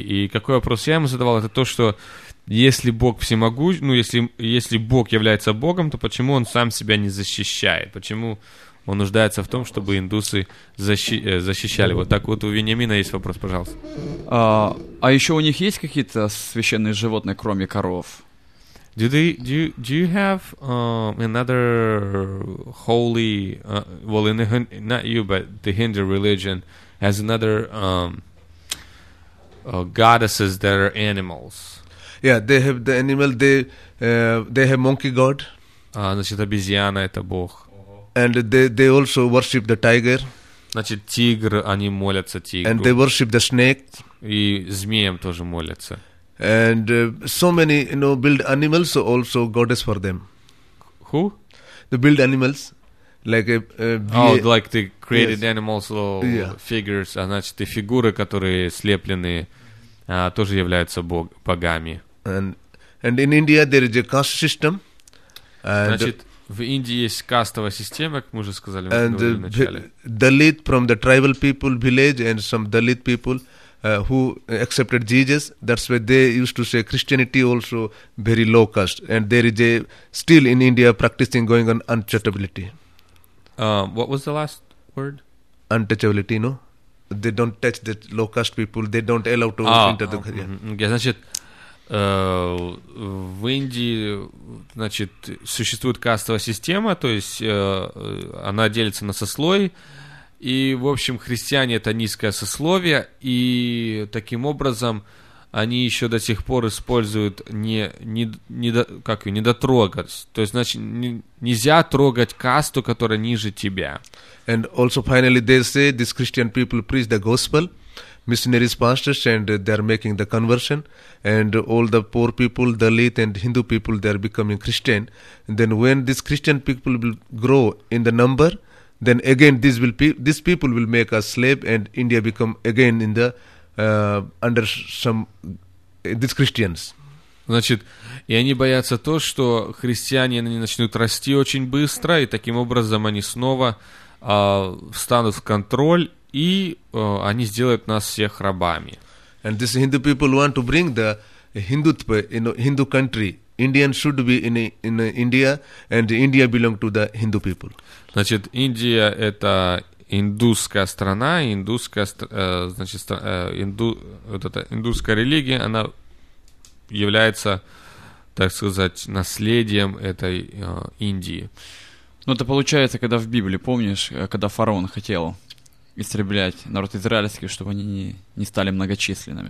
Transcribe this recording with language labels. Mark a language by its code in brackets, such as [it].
[ru] И какой вопрос я ему задавал, это то, что если Бог всемогущ, ну, если Бог является Богом, то почему он сам себя не защищает? Почему он нуждается в том, чтобы индусы защищали. Вот так вот у Вениамина есть вопрос, пожалуйста. А еще у них есть какие-то священные животные, кроме коров? [en] Do you have another holy... well, in the, not you, but the Hindu religion has another goddesses that are animals. Yeah, they have the animal, they have monkey god. [ru] Значит, обезьяна — это бог. [en] And they also worship the tiger. [ru] Значит, тигр, они молятся тигру. [en] And they worship the snake. [ru] И змеям тоже молятся. [en] And so many, you know, build animals also goddess for them. Who? They build animals, like like the created, yes, animals, little, yeah, figures. [ru] А значит, и фигуры, которые слеплены, тоже являются богами. [en] And in India there is a caste system. [ru] Значит, в Индии есть кастовая система, как мы уже сказали, [en] and, [ru] в начале. [en] Dalit from the tribal people village and some Dalit people who accepted Jesus, that's why they used to say Christianity also very low caste. And there is a still in India practicing going on untouchability. What was the last word? Untouchability, no? They don't touch the low caste people, they don't allow to enter the country. Yeah, [ru] значит, в Индии, значит, существует кастовая система, то есть она делится на сословий, и, в общем, христиане — это низкое сословие, и таким образом они еще до сих пор используют недотрогать, то есть, значит, нельзя трогать касту, которая ниже тебя. [en] And also, finally, they say these Christian people preach the gospel, missionaries, pastors, and they are making the conversion, and all the poor people, Dalit and Hindu people, they are becoming Christian. And then when these Christian people will grow in the number, then again these people will make us slave, and India become again in the under some these Christians. [ru] Значит, и они боятся то, что христиане, они начнут расти очень быстро, и таким образом они снова встанут в контроль, и они сделают нас всех рабами. [en] And this Hindu people want to bring the Hindutva, you know, Hindu country. Indian should be in India, and India belong to the Hindu people. [ru] Значит, Индия — это индусская страна, индусская, значит, вот эта индусская религия, она является, так сказать, наследием этой Индии. Ну, это получается, когда в Библии, помнишь, когда фараон хотел истреблять народ израильский, чтобы они не стали многочисленными.